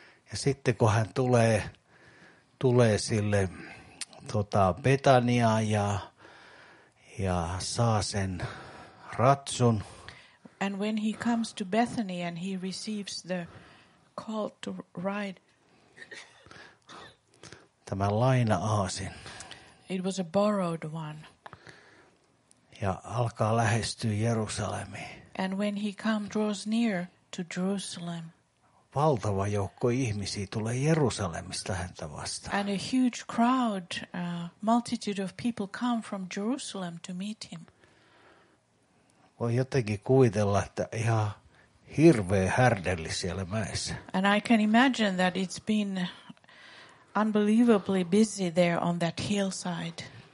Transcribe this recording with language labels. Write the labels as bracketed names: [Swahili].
[Finnish] Ja sitten kun hän tulee sille tota Betaniaan ja saa sen ratsun. [English] And when he comes to Bethany and he receives the call to ride. [Finnish] Tämä laina-aasin. [English] It was a borrowed one. [Finnish] Ja alkaa lähestyä Jerusalemiin. [English] And when he comes draws near to Jerusalem. [Finnish] Valtava joukko ihmisiä tulee Jerusalemista häntä vastaan. [English] And a huge crowd, multitude of people come from Jerusalem to meet him. [Finnish] Voi jotenkin kuvitella, että ihan hirveä härdelli siellä mäessä. [English] And I can imagine that it's been unbelievably busy there on that hillside.